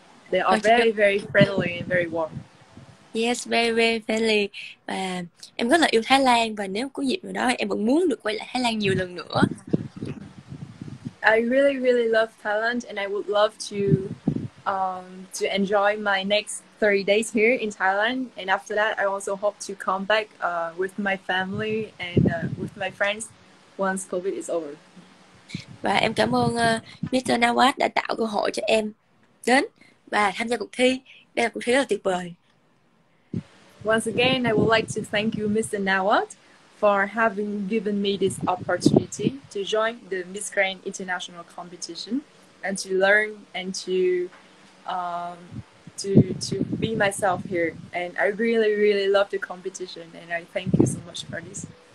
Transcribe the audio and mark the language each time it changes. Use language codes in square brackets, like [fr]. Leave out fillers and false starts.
[en] They are very, very friendly and very warm. Yes, very, very friendly. [vi] Và em rất là yêu Thái Lan và nếu có dịp nào đó em vẫn muốn được quay lại Thái Lan nhiều lần nữa. [en] I really, really love Thailand and I would love to enjoy my next 30 days here in Thailand. And after that, I also hope to come back with my family and with my friends once COVID is over. [vi] Và em cảm ơn Mr. Nawaz đã tạo cơ hội cho em đến và tham gia cuộc thi. Đây là cuộc thi rất là tuyệt vời. [en] Once again, I would like to thank you, Mr. Nawaz, for having given me this opportunity to join the Miss Grand International Competition and to learn and to be myself here. And I really, really love the competition and I thank you so much for this.